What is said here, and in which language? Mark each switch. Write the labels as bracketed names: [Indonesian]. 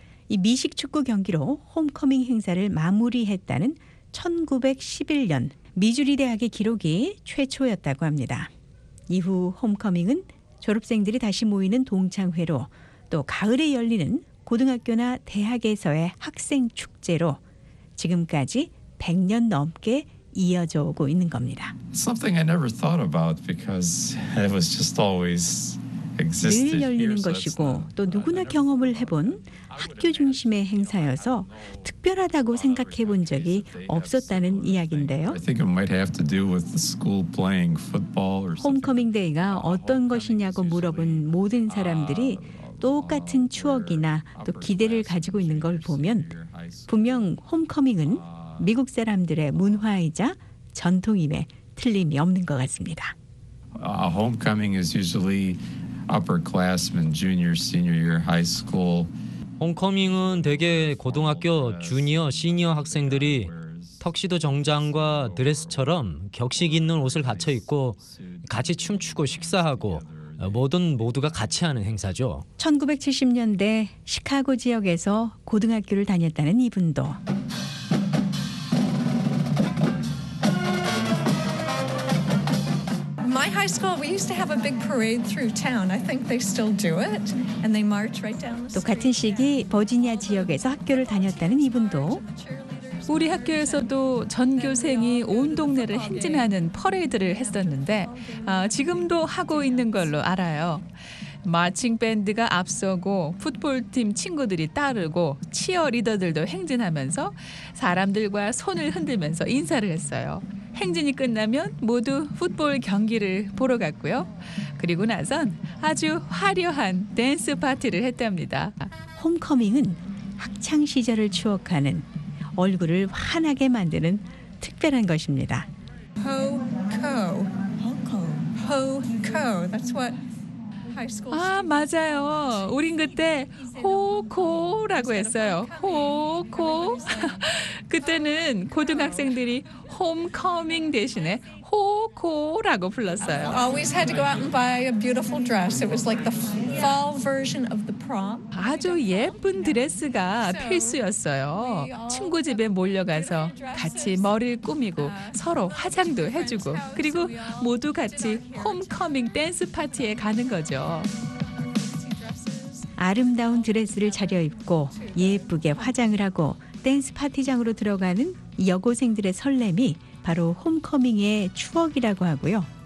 [Korean] 이 미식 축구 경기로 홈커밍 행사를 마무리했다는 1911년 미주리 대학의 기록이 최초였다고 합니다. 이후 홈커밍은 졸업생들이 다시 모이는 동창회로 또 가을에 열리는 고등학교나 대학에서의 학생 축제로 지금까지 100년 넘게 이어져 오고 있는 겁니다. [English] Something I never thought about because it was just always existed. [Korean] 늘 열리는 것이고 또 누구나 경험을 해본 학교 중심의 행사여서 특별하다고 생각해 본 적이 없었다는 이야기인데요. [English] I think it might have to do with the school playing football or something. [Korean] 홈커밍 데이가 어떤 것이냐고 물어본 모든 사람들이 똑같은 추억이나 또 기대를 가지고 있는 걸 보면 분명 홈커밍은 미국 사람들의 문화이자 전통임에 틀림이 없는 것 같습니다. [English] Homecoming is usually upperclassmen, junior, senior year high school. [Korean] 홈커밍은 대개 고등학교 주니어, 시니어 학생들이 턱시도 정장과 드레스처럼 격식 있는 옷을 갖춰 입고 같이 춤추고 식사하고 모든 모두가 같이 하는 행사죠. 1970년대 시카고 지역에서 고등학교를 다녔다는 이분도 [English] My high school we used to have a big parade through town. I think they still do it and they march right down the street. [Korean] 또 같은 시기 버지니아 지역에서 학교를 다녔다는 이분도 우리 학교에서도 전교생이 온 동네를 행진하는 퍼레이드를 했었는데 지금도 하고 있는 걸로 알아요. 마칭 밴드가 앞서고 풋볼팀 친구들이 따르고 치어리더들도 행진하면서 사람들과 손을 흔들면서 인사를 했어요. 행진이 끝나면 모두 풋볼 경기를 보러 갔고요. 그리고 나선 아주 화려한 댄스 파티를 했답니다. 홈커밍은 학창 시절을 추억하는 얼굴을 환하게 만드는 특별한 것입니다. 아 맞아요. 우린 그때 호코라고 했어요. 호코. 그때는 고등학생들이 홈커밍 대신에 호코라고 불렀어요. [English] Always had to go out and buy a beautiful dress. It was like the fall version of the prom. [Korean] 아주 예쁜 드레스가 필수였어요. 친구 집에 몰려가서 같이 머리를 꾸미고 서로 화장도 해주고 그리고 모두 같이 홈커밍 댄스 파티에 가는 거죠. 아름다운 드레스를 차려입고 예쁘게 화장을 하고 댄스 파티장으로 들어가는 여고생들의 설렘이 바로 홈커밍의 추억이라고 하고요.